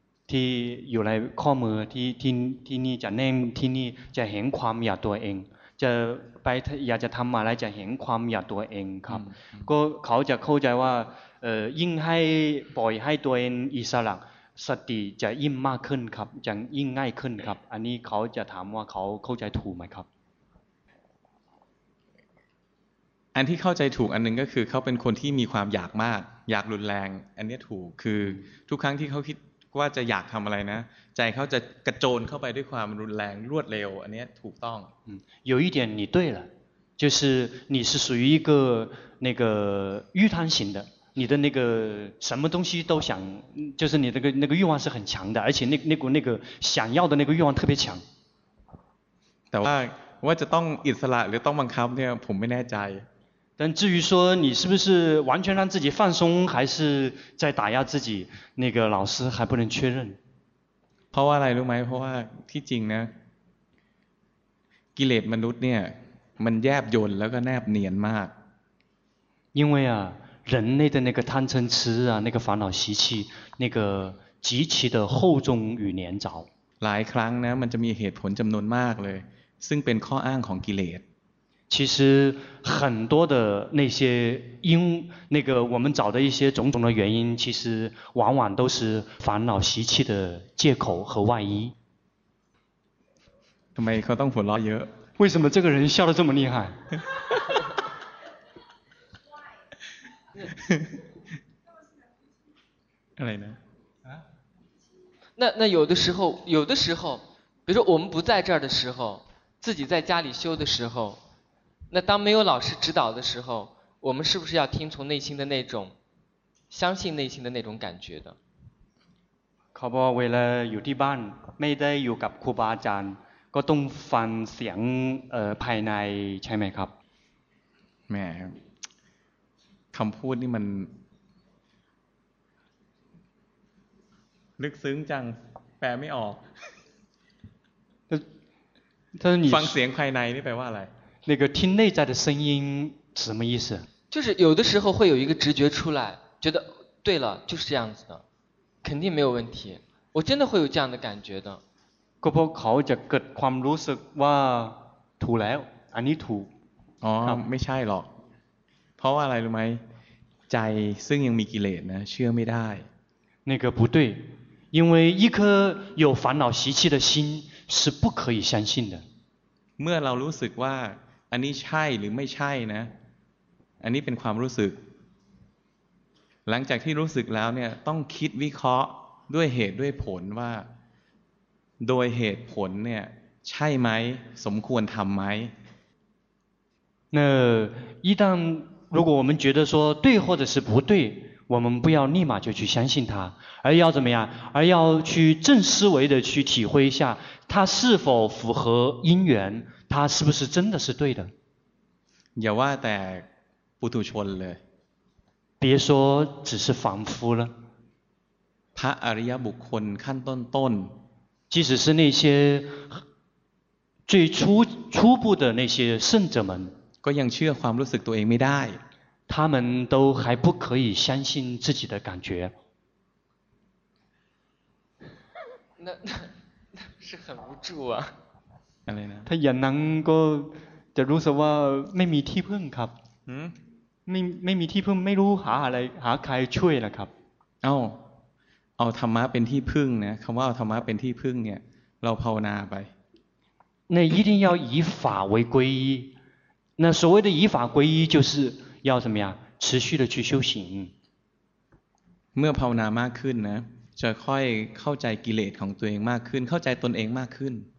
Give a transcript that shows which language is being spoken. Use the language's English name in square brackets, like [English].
[Thai] ที่อยู่ในข้อมือที่นี่จะแน่งที่นี่จะเห็นความอยากตัวเองจะไปอยากจะทำอะไรจะเห็นความอยากตัวเองครับก็เขาจะเข้าใจว่ายิ่งให้ปล่อยให้ตัวเองอิสระสติจะยิ่งมากขึ้นครับจะยิ่งง่ายขึ้นครับอันนี้เขาจะถามว่าเขาเข้าใจถูกไหมครับ อันที่เข้าใจถูกอันนึงก็คือเขาเป็นคนที่มีความอยากมากอยากรุนแรงอันนี้ถูกคือทุกครั้งที่เขาคิดว่าจะอยากทำอะไรนะใจเขาจะกระโจนเข้าไปด้วยความรุนแรงรวดเร็วอันนี้ถูกต้อง [Chinese] 有一点你对了就是你是属于一个那个欲贪型的你的那个什么东西都想就是你的那个欲望是很强的而且那个想要的那个欲望特别强 [Thai] แต่ว่าจะต้องอิสระหรือต้องบังคับเนี่ยผมไม่แน่ใจ [Chinese] 但至于说你是不是完全让自己放松还是在打压自己那个老师还不能确认 [Thai] เพราะว่าอะไรรู้ไหมเพราะว่าที่จริงนะกิเลสมนุษย์เนี่ยมันแยบยลแล้วก็แนบเนียนมาก [Chinese] 因为啊人类的那个贪嗔痴啊那个烦恼习气那个极其的厚重与粘着 [Thai] หลายครั้งนะมันจะมีเหตุผลจำนวนมากเลยซึ่งเป็นข้ออ้างของกิเลส [Chinese] 其实很多的那些因那个我们找的一些种种的原因其实往往都是烦恼习气的借口和外衣 [Thai] ทำไมเขาต้องหัวเราะเยอะ [Chinese] 为什么这个人笑得这么厉害 [Thai] อะไรนะ [Chinese] 那有的时候比如说我们不在这儿的时候自己在家里修的时候那当没有老师指导的时候我们是不是要听从内心的那种相信内心的那种感觉的 [Thai] เขาบอกเวลาอยู่ที่บ้านไม่ได้อยู่กับครูบาอาจารย์ก็ต้องฟังเสียงภายในใช่ไหมครับ แม่คำพูดนี่มันลึกซึ้งจังแปลไม่ออกฟังเสียงภายในนี่แปลว่าอะไร [Chinese] 那个听内在的声音什么意思？就是有的时候会有一个直觉出来，觉得对了，就是这样子的，肯定没有问题。我真的会有这样的感觉的。 [Thai] ก็เพราะเขาจะเกิดความรู้สึกว่าถูกแล้ว อันนี้ถูก อ๋อไม่ใช่หรอกเพราะว่าอะไรรู้ไหมใจซึ่งยังมีกิเลสนะเชื่อไม่ได้ [Chinese] 那个不对因为一颗有烦恼习气的心是不可以相信的 [Thai] เมื่อเรารู้สึกว่าอันนี้ใช่หรือไม่ใช่นะอันนี้เป็นความรู้สึกหลังจากที่รู้สึกแล้วเนี่ยต้องคิดวิเคราะห์ด้วยเหตุด้วยผลว่าโดยเหตุผลเนี่ยใช่ไหมสมควรทำไหม [Chinese] 那一旦如果我们觉得说对或者是不对我们不要立马就去相信它而要怎么样而要去正思维的去体会一下它是否符合因缘它是不是真的是对的 [Thai] อย่าว่าแต่ปุถุชนเลย [Chinese] 别说只是凡夫了 [Thai] พระอริยบุคคลขั้นต้นต้น [Chinese] 即使是那些最初步的那些圣者们 [Thai] ก็ยังเชื่อความรู้สึกตัวเองไม่ได้ [Chinese] 他们都还不可以相信自己的感觉那是很无助啊 [Thai] อะไรนะ ถ้ายังนั้นก็จะรู้สึกว่าไม่มีที่พึ่งครับไม่มีที่พึ่งไม่รู้หาอะไรหาใครช่วยล่ะครับ เอ้าเอาธรรมะเป็นที่พึ่งนะคําว่าเอาธรรมะเป็นที่พึ่งเนี่ยเราภาวนาไป [Chinese] 那一定要以法为皈依那所谓的以法皈依就是要怎么样持续的去修行 [Thai] เมื่อภาวนามากขึ้นนะจะค่อยเข้าใจกิเลสของตัวเองมากขึ้นเข้าใจตนเองมากขึ้น